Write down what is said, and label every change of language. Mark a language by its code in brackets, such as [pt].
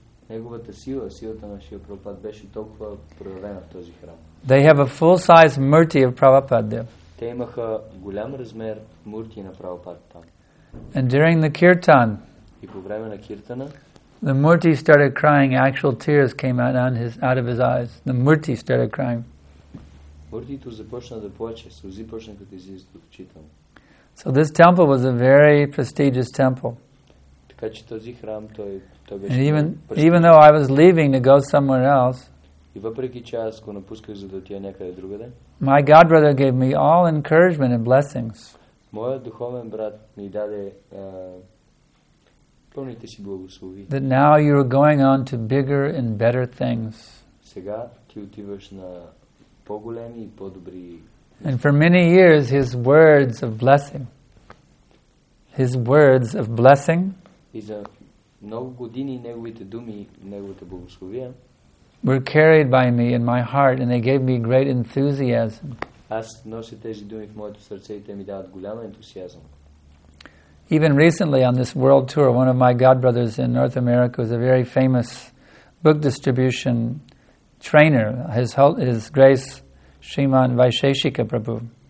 [bg] Неговата сила, силата на Шрила Прабхупада беше толкова проявена в този храм. [en] They have a full-size murti of Prabhupada there. [bg] Те имаха голям размер мурти на Прабхупада там. [en] And during the kirtan, [bg] и по време на киртана, [en] the murti started crying. Actual tears came out on his out of his eyes. The murti started crying. [bg] Муртито започна да плаче, сълзи почнаха да излизат от очите му. [en] So this temple was a very prestigious temple. [bg] Така че този храм, той беше. [en] And even though I was leaving to go somewhere else, [bg] и въпреки че аз го напусках, за да отида някъде другаде, [en] my god brother gave me all encouragement and blessings. [bg] Моят духовен брат ми даде пълните си благослови. [en] That now you are going on to bigger and better things. [bg] Сега ти отиваш на по-големи и по-добри. [en] And for many years his words of blessing. His words of blessing. [bg] И за много години неговите думи, неговите благословия [en] were carried by me in my heart and they gave me great enthusiasm. [bg] Аз нося тези думи в моето сърце и те ми дават голям ентусиазъм. [en] Even recently on this world tour, one of my godbrothers in North America was a very famous book distribution trainer, his grace Shriman Vaisheshika Prabhu.